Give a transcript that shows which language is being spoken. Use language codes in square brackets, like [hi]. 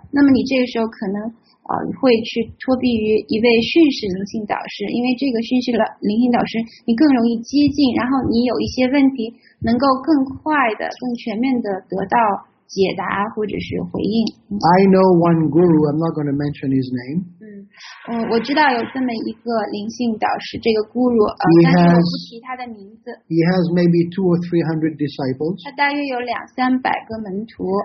[zh] 那么你这个时候可能会去托庇于一位训士灵性导师，因为这个训士灵性导师你更容易接近，然后你有一些问题能够更快的、更全面的得到解答或者是回应。 [en] I know one guru, I'm not going to mention his name. [zh] 我知道有这么一个灵性导师，这个 guru, 但是我不提他的名字。 [en] He has maybe 200 or 300 disciples. [zh] 他大约有两三百个门徒。